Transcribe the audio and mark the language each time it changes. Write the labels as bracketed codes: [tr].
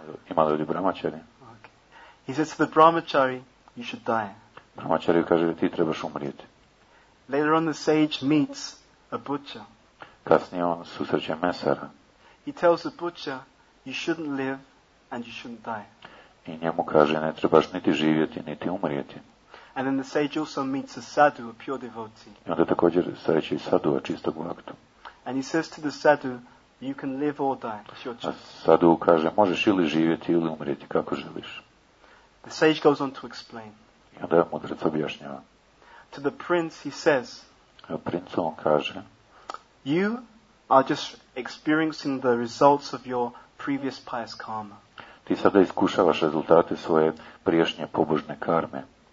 [hr] Ima ljudi brahmachari. [en] Okay. He says to the brahmachari, you should die. [hr] Brahmachari kaže, ti trebaš umrijeti. [en] Later on, the sage meets a butcher. [hr] Kasnije on susreće mesara. [en] He tells the butcher, you shouldn't live and you shouldn't die. [hr] I njemu kaže, ne trebaš niti živjeti, niti umrijeti. [en] And then the sage also meets a sadhu, a pure devotee. [hr] I onda također sreće i sadhu, a čistog bhaktu. [en] And he says to the sadhu, you can live or die, it's your choice. [hr] A sadhu kaže, možeš ili živjeti ili umrijeti, kako želiš. [en] The sage goes on to explain. [hr] I onda mudrac objašnjava. [en] To the prince he says, [hr] a princu on kaže, [en] you are just experiencing the results of your previous pious karma. [hr] Ti sada iskušavaš rezultate svoje prijašnje pobožne karme.